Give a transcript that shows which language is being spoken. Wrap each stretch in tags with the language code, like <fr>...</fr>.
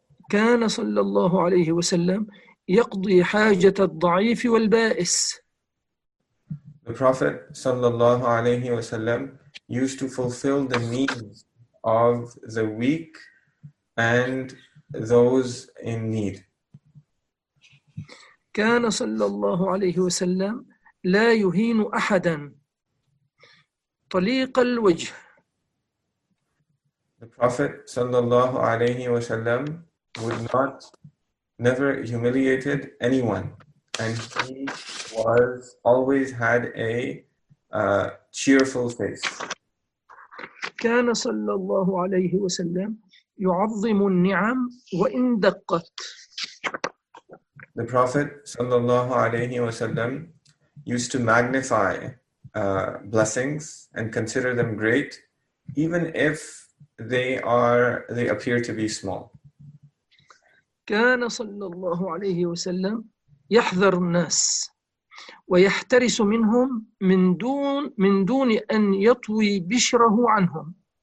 <ar>كان صلى الله عليه وسلم يقضي حاجة الضعيف والبائس.</ar> <en>The Prophet</en> <ar>صلى الله عليه وسلم</ar> <en>used to fulfill the needs of the weak and those in need.</en> <ar>كان صلى الله عليه وسلم لا يهين أحدا طليق الوجه.</ar> <en>The Prophet</en> <ar>صلى الله عليه وسلم</ar> <en>never humiliated anyone, and he always had a cheerful face.</en> <ar>كان صلى الله عليه وسلم يعظم النعم وإن دقت.</ar> <en>The Prophet</en> <ar>صلى الله عليه وسلم</ar> <en>used to magnify blessings and consider them great, even if they appear to be small.</en> <ar>كان صلى الله عليه وسلم يحذر الناس ويحترس منهم من دون أن يطوي بشره عنهم.</ar>